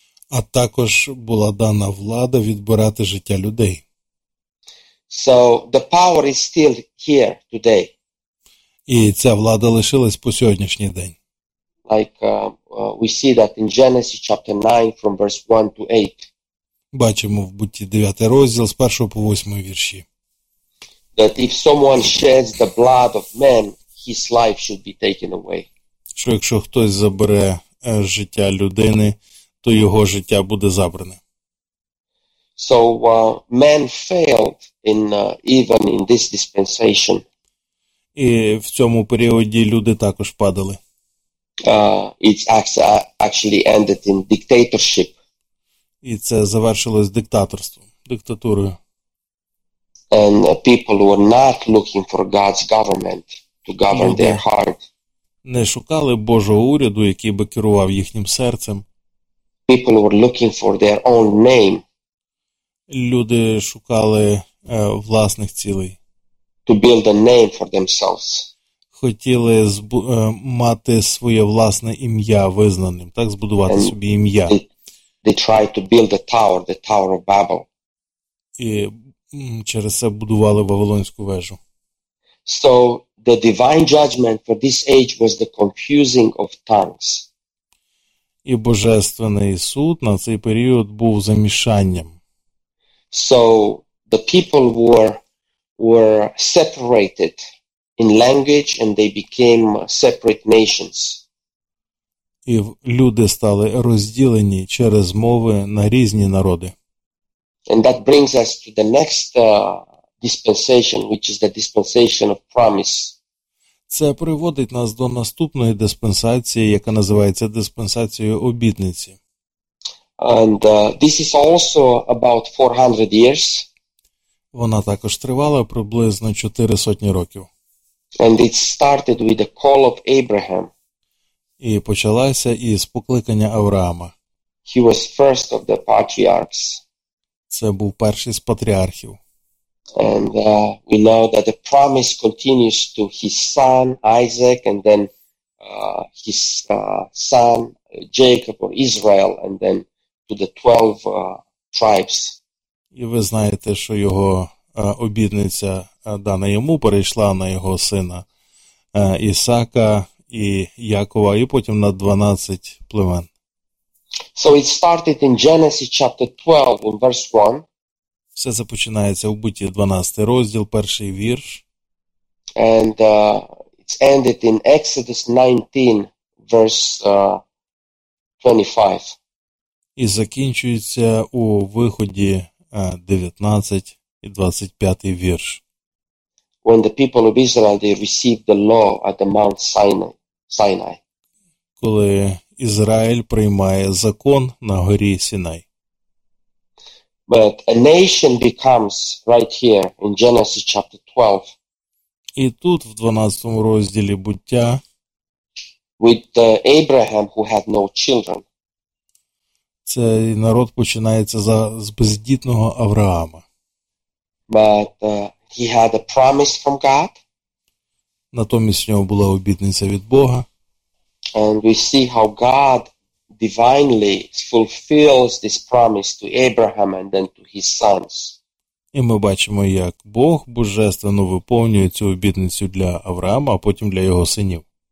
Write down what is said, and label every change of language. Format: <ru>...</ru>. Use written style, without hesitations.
<uk>А також була дана влада відбирати життя людей.</uk> <en>So the power is still here today.</en> <uk>І ця влада лишилась по сьогоднішній день.</uk> <en>Like we see that in Genesis chapter 9 from verse 1 to 8.</en> <uk>Бачимо в Бутті 9 розділ з 1 по 8 вірші.</uk> <en>That if someone sheds the blood of man, his life should be taken away.</en> <uk>Що якщо хтось забере життя людини, то його життя буде забране.</uk> <en>So man failed in even in this dispensation.</en> <uk>І в цьому періоді люди також падали.</uk> <en>It's actually ended in dictatorship.</en> <uk>І це завершилось диктаторством, диктатурою.</uk> <en>And people were not looking for God's government to govern</en> <uk>люди</uk> <en>their heart.</en> <uk>Не шукали Божого уряду, який би керував їхнім серцем.</uk> <en>People were looking for their own name.</en> <uk>Люди шукали власних цілей.</uk> <en>To build a name for themselves.</en> <uk>Хотіли мати своє власне ім'я визнаним, так, збудувати</uk> <en>and</en> <uk>собі ім'я.</uk> <en>They tried to build a tower, the Tower of Babel.</en> <uk>І через це будували Вавилонську вежу.</uk> <en>So the divine judgment for this age was the confusing of tongues.</en> <uk>І божественний суд на цей період був замішанням.</uk> <en>So the people were separated in language and they became separate nations.</en> <uk>І люди стали розділені через мови на різні народи.</uk> <en>And that brings us to the next dispensation, which is the dispensation of promise.</en> <uk>Це приводить нас до наступної диспенсації, яка називається диспенсацією обітниці.</uk> <en>And this is also about 400 years.</en> <uk>Вона також тривала приблизно 400 років.</uk> <en>And it started with the call of Abraham.</en> <uk>І почалася із покликання Авраама.</uk> <en>He was first of the patriarchs.</en> <uk>Це був перший з патріархів.</uk> <en>And we know that the promise continues to his son Isaac and then his son Jacob or Israel and then to the 12 tribes.</en> <uk>І ви знаєте, що його обітниця дана йому перейшла на його сина Ісака і Якова, і потім на 12 племен.</uk> <en>So it started in Genesis chapter 12 in verse 1.</en> <uk>Все започинається у Бутті 12 розділ, перший вірш.</uk> <en>And it's ended in Exodus 19 verse 25.</en> <uk>І закінчується у Виході 19 і 25 вірш.</uk> <en>When the people of Israel they received the law at the Mount Sinai.</en> <uk>Коли Ізраїль приймає закон на горі Сінай.</uk> <en>But a nation becomes right here in Genesis chapter 12.</en> <uk>І тут в 12-му розділі буття</uk> <en>with Abraham who had no children.</en> <uk>Цей народ починається з бездітного Авраама.</uk> <en>But he had a promise from God.</en> <uk>Натомість в нього була обітниця від Бога.</uk> <en>And we see how God divinely fulfills this promise to Abraham and then to his sons.</en> <uk>І ми бачимо, як Бог божественно виповнює цю обітницю для Авраама, а потім для його синів.</uk>